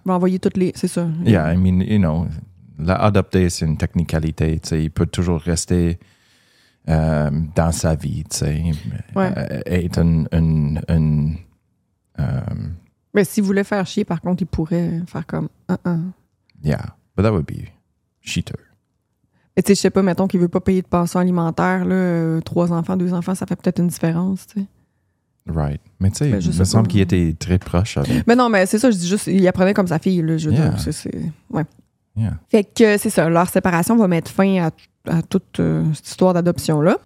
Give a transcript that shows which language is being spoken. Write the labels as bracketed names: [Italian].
[French] Bon, envoyer toutes les... C'est ça. [English] Yeah, I mean, you know, [French] l'adopter, c'est une technicalité. Tu sais, il peut toujours rester dans sa vie, tu sais. Ouais. Être un Mais s'il voulait faire chier, par contre, il pourrait faire comme... [English] Yeah, but that would be cheater. [French] Tu sais, je sais pas, mettons qu'il veut pas payer de pension alimentaire, là, trois enfants, deux enfants, ça fait peut-être une différence, tu sais. [English] Right. [French] Mais tu sais, il me semble qu'il était très proche avec... Mais non, mais c'est ça, je dis juste, il apprenait comme sa fille, là, je veux dire. C'est, ouais. [English] Yeah. [French] Fait que c'est ça, leur séparation va mettre fin à toute cette histoire d'adoption-là.